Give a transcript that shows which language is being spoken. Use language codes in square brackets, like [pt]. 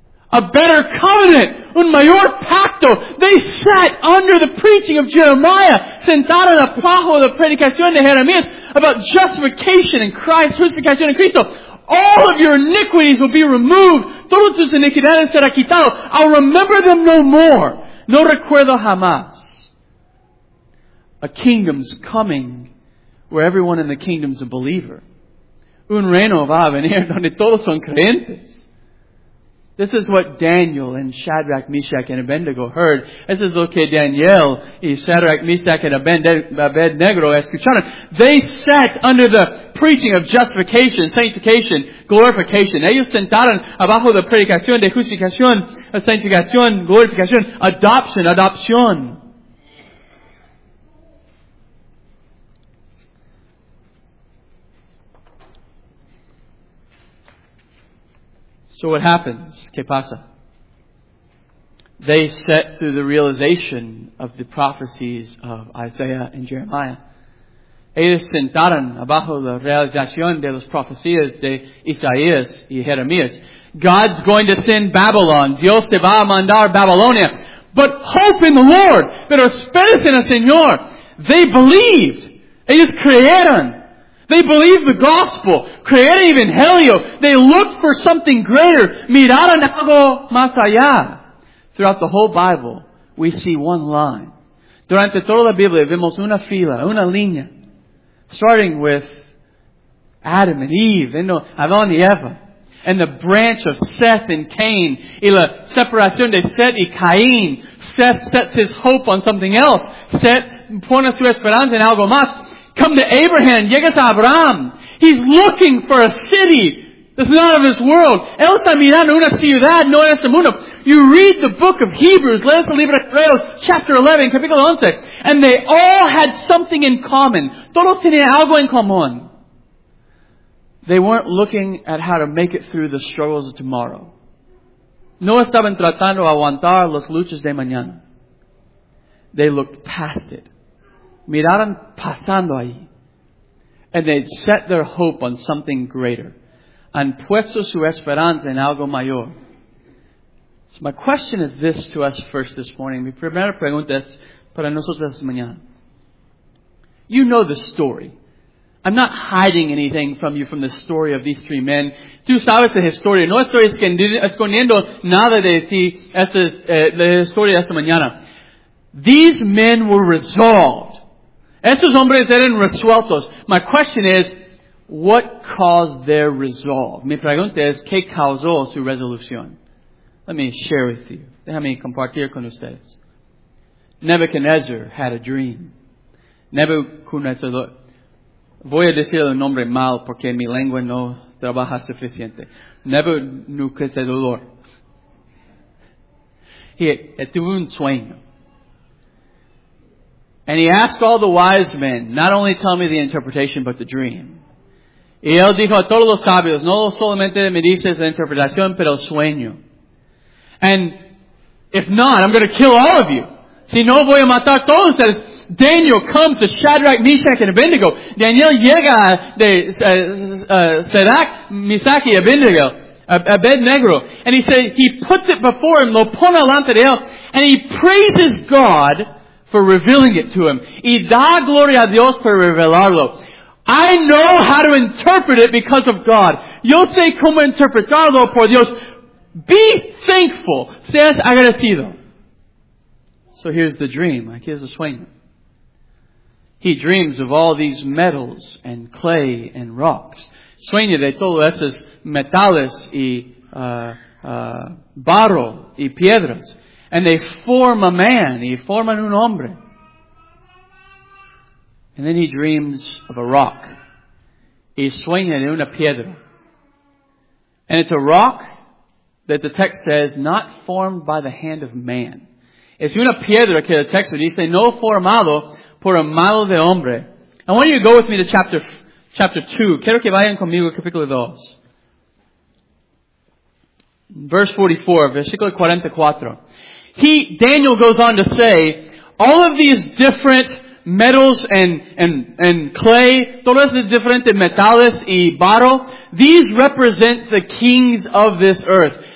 [en] A better covenant, [es] un mayor pacto. [en] They sat under the preaching of Jeremiah, [es] sentaron bajo la predicación de Jeremías [en] about justification in Christ, [es] justificación en Cristo. [en] All of your iniquities will be removed. [es] Todos tus iniquidades serán quitados. [en] I'll remember them no more. [es] No recuerdo jamás. [en] A kingdom's coming where everyone in the kingdom's a believer. [es] Un reino va a venir donde todos son creyentes. [en] This is what Daniel and Shadrach, Meshach, and Abednego heard. This is [es] lo que Daniel y Shadrach, Meshach, and Abednego escucharon. [en] They sat under the preaching of justification, sanctification, glorification. [es] Ellos sentaron abajo de predicación de justificación, sanctificación, glorificación, adoption, adopción. [en] So what happens? [es] ¿Qué pasa? [en] They set through the realization of the prophecies of Isaiah and Jeremiah. [es] Ellos sentaron abajo la realización de las profecías de Isaías y Jeremías. [en] God's going to send Babylon. [es] Dios te va a mandar Babilonia. [en] But hope in the Lord. [es] Pero esperas en el Señor. [en] They believed. [es] Ellos creyeron. [en] They believed the gospel, [es] creyeron en Evangelio. [en] They looked for something greater. [es] Miraron algo más allá. [en] Throughout the whole Bible, we see one line. [es] Durante toda la Biblia, vemos una fila, una línea. [en] Starting with Adam and Eve, and Adán y Eva. And the branch of Seth and Cain. [es] Y la separación de Seth y Caín. [en] Seth sets his hope on something else. [es] Seth pone su esperanza en algo más. [en] Come to Abraham. [es] Llegas a Abraham. [en] He's looking for a city that's not of this world. [es] Él está mirando una ciudad, no en este mundo. [en] You read the book of Hebrews, [es] lees el libro de Hebreos, [en] chapter 11, [es] capítulo 11. [en] And they all had something in common. [es] Todos tenían algo en común. [en] They weren't looking at how to make it through the struggles of tomorrow. [es] No estaban tratando de aguantar las luchas de mañana. [en] They looked past it. [es] Miraron pasando ahí. [en] And they set their hope on something greater. [es] Han puesto su esperanza en algo mayor. [en] So my question is this to us first this morning. [es] Mi primera pregunta es para nosotros esta mañana. [en] You know the story. I'm not hiding anything from you from the story of these three men. [es] Tú sabes la historia. No estoy escondiendo nada de ti la historia de esta mañana. [en] These men were resolved. [es] Estos hombres eran resueltos. [en] My question is, what caused their resolve? [es] Mi pregunta es, ¿qué causó su resolución? [en] Let me share with you. [es] Déjame compartir con ustedes. [en] Nebuchadnezzar had a dream. [es] Nebuchadnezzar, voy a decir el nombre mal porque mi lengua no trabaja suficiente. Nebuchadnezzar. He tuvo un sueño. [en] And he asked all the wise men, not only tell me the interpretation, but the dream. [es] Y él dijo a todos los sabios, no solamente me dices la interpretación, pero el sueño. [en] And if not, I'm going to kill all of you. [es] Si no, voy a matar todos ustedes. [en] Daniel comes to Shadrach, Meshach, and Abednego. [es] Daniel llega de Shadrach, Meshach, y Abednego. Abednego. [en] And he said, he puts it before him, [es] lo pone delante de él, [en] and he praises God for revealing it to him. [es] Y da gloria a Dios por revelarlo. [en] I know how to interpret it because of God. [es] Yo sé cómo interpretarlo por Dios. [en] Be thankful. [es] Seas agradecido. [en] So here's the dream. [es] Aquí es el sueño. [en] He dreams of all these metals and clay and rocks. [es] Sueña de todos esos metales y barro y piedras. [en] And they form a man. [es] Y forman un hombre. [en] And then he dreams of a rock. [es] Y sueña de una piedra. [en] And it's a rock that the text says, not formed by the hand of man. [es] Es una piedra que el texto dice, no formado por el mano de hombre. [en] I want you to go with me to chapter 2. [es] Quiero que vayan conmigo al capítulo 2. [en] Verse 44, [es] versículo 44. [en] Daniel goes on to say, all of these different metals and clay, [es] todos los diferentes metales y barro, [en] these represent the kings of this earth.